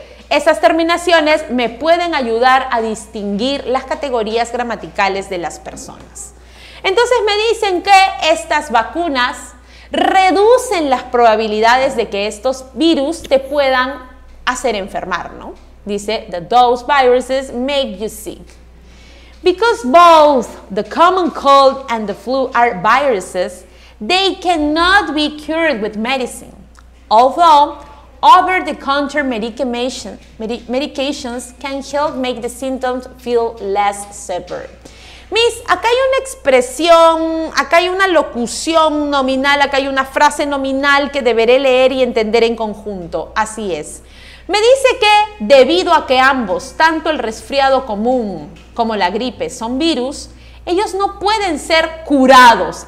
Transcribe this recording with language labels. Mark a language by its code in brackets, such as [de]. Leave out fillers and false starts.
[es] Esas terminaciones me pueden ayudar a distinguir las categorías gramaticales de las personas. Entonces me dicen que estas vacunas reducen las probabilidades de que estos virus te puedan hacer enfermar, ¿no? [en] Dice, the those viruses make you sick. Because both the common cold and the flu are viruses, they cannot be cured with medicine. Although, over-the-counter medications can help make the symptoms feel less severe. [es] Miss, acá hay una expresión, acá hay una locución nominal, acá hay una frase nominal que deberé leer y entender en conjunto. Así es. Me dice que debido a que ambos, tanto el resfriado común como la gripe, son virus, ellos no pueden ser curados.